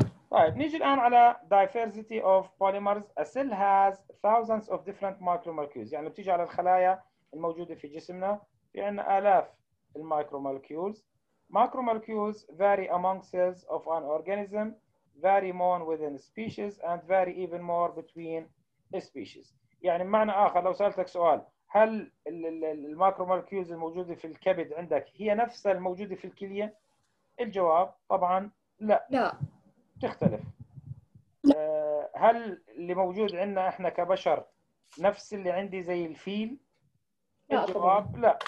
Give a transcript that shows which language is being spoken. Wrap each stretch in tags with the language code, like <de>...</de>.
<ar>طيب نيجي الآن على</ar> <en>diversity of polymers. A cell has thousands of different micromolecules. يعني بتيجي على الخلايا الموجودة في جسمنا في عنا آلاف المايكرومولكيولز. Macromolecules vary among cells of an organism. Vary more within species and vary even more between species.</en> <ar>يعني معنى آخر لو سألتك سؤال هل الماكرو مولكيولز الموجودة في الكبد عندك هي نفسها الموجودة في الكلية؟ الجواب طبعا لا. لا. تختلف. هل اللي موجود عندنا احنا كبشر نفس اللي عندي زي الفيل؟ الجواب لا.</ar>